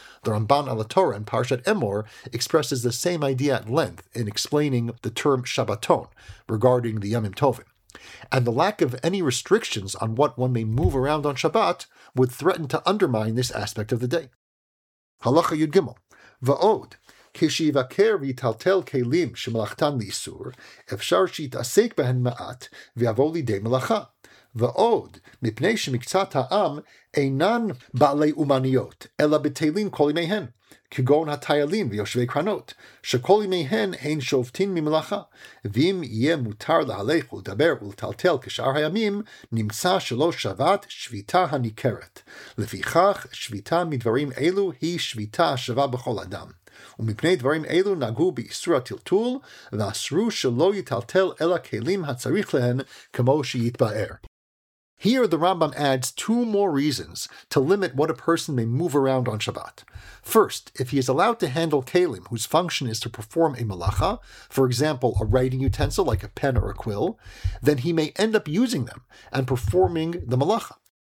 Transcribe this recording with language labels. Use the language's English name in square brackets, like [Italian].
[English] The Ramban al Torah in Parshat Emor expresses the same idea at length in explaining the term Shabbaton regarding the Yamim Tovim. And the lack of any restrictions on what one may move around on Shabbat would threaten to undermine this aspect of the day. [Hebrew] Halacha Yud Gimel. Va'od. כשיבקר ויטלטל כלים שמלאכתן לאיסור, אפשר שיתעסק בהן מעט ויבוא לידי מלאכה. ועוד, מפני שמקצת העם אינן בעלי אומניות, אלא בטלים כל ימיהן, כגון הטיילים ויושבי קרנות, שכל ימיהן אין שובטין ממלאכה. ואם יהיה מותר להלך ולדבר ולטלטל כשאר הימים, נמצא שלא שבת שביתה הניכרת. לפיכך, שביתה מדברים אלו היא שביתה שווה בכל אדם. ומפני דברים אלו נגעו באיסור הטלטול, ואסרו שלא יטלטל אלא כלים הצריך להן כמו שיתבאר. [English] Here the Rambam adds two more reasons to limit what a person may move around on Shabbat. First, if he is allowed to handle kelim whose function is to perform a melacha, for example a writing utensil like a pen or a quill, then he may end up using them and performing the melacha.